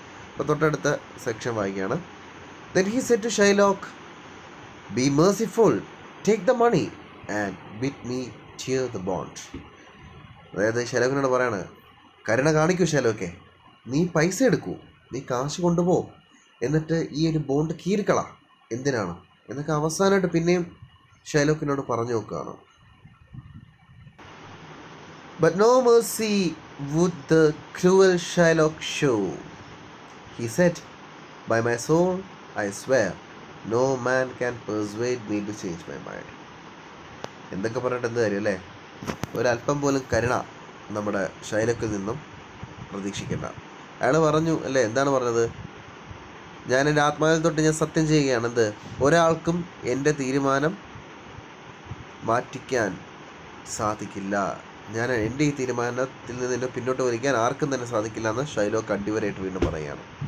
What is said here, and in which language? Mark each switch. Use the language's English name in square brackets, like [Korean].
[Malayalam] അപ്പോൾ തൊട്ടടുത്ത സെക്ഷൻ വായിക്കുകയാണ്. [English] Then he said to Shylock, be merciful, take the money and bid me tear the bond. [Malayalam] അതായത് ഷൈലോക്കിനോട് പറയാണ് കരുണ കാണിക്കൂ ഷൈലോക്കെ, നീ പൈസ എടുക്കൂ, നീ കാശ് കൊണ്ടുപോ, എന്നിട്ട് ഈ ഒരു ബോണ്ട് കീറിക്കള, എന്തിനാണ് എന്നൊക്കെ അവസാനമായിട്ട് പിന്നെയും ഷൈലോക്കിനോട് പറഞ്ഞു നോക്കുകയാണ്. [English] But no mercy would the cruel Shylock show. He said, by my soul, I swear, no man can persuade me to change my mind. [Malayalam] എന്തൊക്കെ പറഞ്ഞിട്ടെന്ത് കാര്യമല്ലേ, ഒരല്പം പോലും കരുണ നമ്മുടെ ഷൈലോക്കിൽ നിന്നും പ്രതീക്ഷിക്കേണ്ട. അയാൾ പറഞ്ഞു അല്ലേ, എന്താണ് പറഞ്ഞത്, ഞാൻ എൻ്റെ ആത്മാവിൽ തൊട്ട് ഞാൻ സത്യം ചെയ്യുകയാണ്, എന്ത് ഒരാൾക്കും എൻ്റെ തീരുമാനം മാറ്റിക്കാൻ സാധിക്കില്ല, ഞാൻ എൻ്റെ ഈ തീരുമാനത്തിൽ നിന്ന് എന്നെ പിന്നോട്ട് വലിക്കാൻ ആർക്കും തന്നെ സാധിക്കില്ല എന്ന് ഷൈലോക്ക് അടിവരായിട്ട് വീണ്ടും പറയുകയാണ്.